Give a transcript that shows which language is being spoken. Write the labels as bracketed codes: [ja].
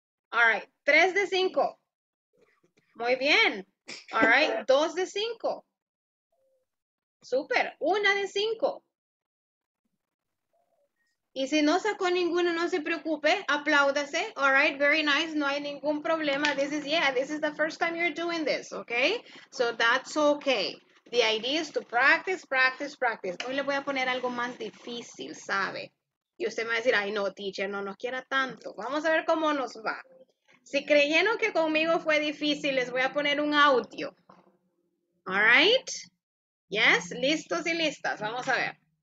[es] All right, 3 de 5. Muy bien, all right, 2 de 5. Super, 1 de 5. Y si no sacó ninguno, no se preocupe, apláudase. [en] All right, very nice, [es] no hay ningún problema. [en] This is the first time you're doing this, okay? So that's okay. The idea is to practice, practice, practice. [es] Hoy le voy a poner algo más difícil, ¿sabe? Y usted me va a decir, ay no, teacher, no nos quiera tanto. Vamos a ver cómo nos va. Si creyeron que conmigo fue difícil, les voy a poner un audio. [en] All right? Yes, [es] listos y listas, vamos a ver.